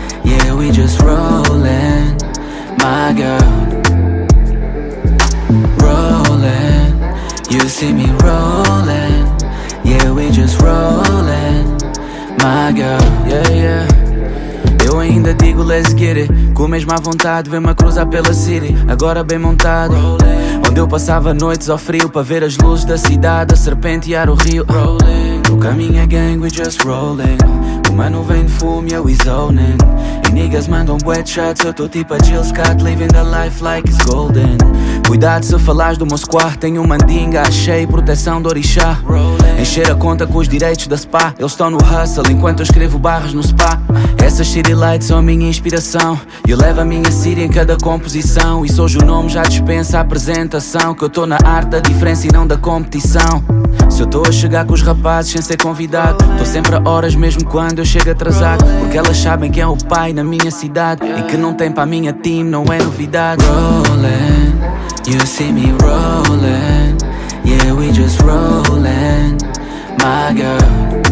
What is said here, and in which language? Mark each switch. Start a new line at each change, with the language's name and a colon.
English: Yeah, we just rolling, my girl. Rolling, you see me rolling. Yeah, we just rolling, my girl. Yeah, yeah.
Portuguese: Eu ainda digo
English: let's get it.
Portuguese: Com a mesma vontade, vem-me a cruzar pela city. Agora bem montado. Rolling. Onde eu passava noites ao frio, para ver as luzes da cidade, a serpentear o rio. Rolling. O caminho é gang,
English: we just rolling.
Portuguese: Uma nuvem de fumo,
English: yeah, we zoning.
Portuguese: E niggas mandam wet shots, eu tô tipo a Jill Scott,
English: living the life like it's golden.
Portuguese: Cuidado se falares do meu squad, tenho mandinga, achei proteção do orixá. Rolling. Encher a conta com os direitos da spa. Eles estão no hustle enquanto eu escrevo barras no spa. Essas city lights são a minha inspiração. Eu levo a minha city em cada composição. E se hoje o nome já dispensa a apresentação, que eu tô na arte da diferença e não da competição. Se eu tô a chegar com os rapazes sem ser convidado, tô sempre a horas mesmo quando eu chego atrasado. Porque elas sabem quem é o pai na minha cidade. E que não tem pra minha team, não é novidade.
English: Rolling, you see me rolling. Yeah, we just rolling, my girl.